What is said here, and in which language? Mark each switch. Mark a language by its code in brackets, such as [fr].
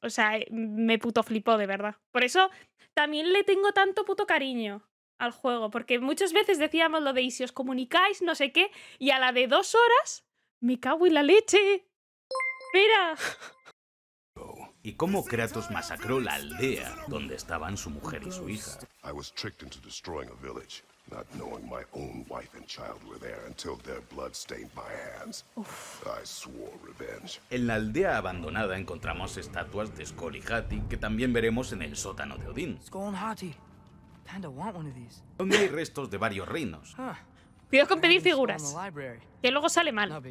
[es] O sea, me puto flipó, de verdad. Por eso también le tengo tanto puto cariño al juego, porque muchas veces decíamos lo de y si os comunicáis, no sé qué, y a la de 2 horas, me cago en la leche. ¡Mira! ¿Y cómo Kratos masacró la aldea donde estaban su mujer y su hija? [en] I was tricked into destroying a village, not knowing my own wife and child were there until their blood stained my hands. I swore revenge. [es] En la aldea abandonada encontramos estatuas de Skoll y Hati, que también veremos en el sótano de Odín. [en] Skoll and Hati. Panda want one of these. [es] Donde hay restos de varios reinos. Cuidado con pedir figuras, que luego sale mal.